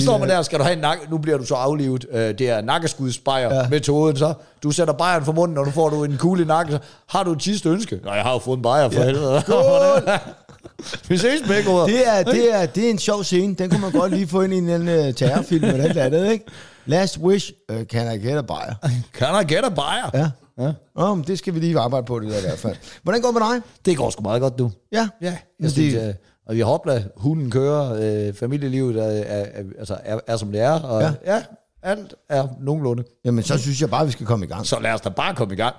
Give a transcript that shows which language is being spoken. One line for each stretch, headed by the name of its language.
Danish: Står man der, skal du have en nakke, nu bliver du så aflivet. Det er nakkeskudsbajer-metoden, ja. Så. Du sætter bajeren for munden, og nu får du en kugle i nakke. Så. Har du et sidste ønske? Nej, jeg har jo fået en bajer for helvede. Vi ses, Mækker. Det er en sjov scene. Den kunne man godt lige få ind i en eller anden terrorfilm eller et andet, ikke?
English: Last wish, can I get a buyer? Can I get a buyer?
Danish: Ja. Ja. Oh, det skal vi lige arbejde på, det der i hvert fald. Hvordan går det med dig? Det går sgu meget godt, du. Ja. Ja. Og vi hopper, hunden kører, familielivet er som det er. Og ja. Ja, alt er nogenlunde. Jamen, så synes jeg bare, vi skal komme i gang. Så lad os da bare komme i gang.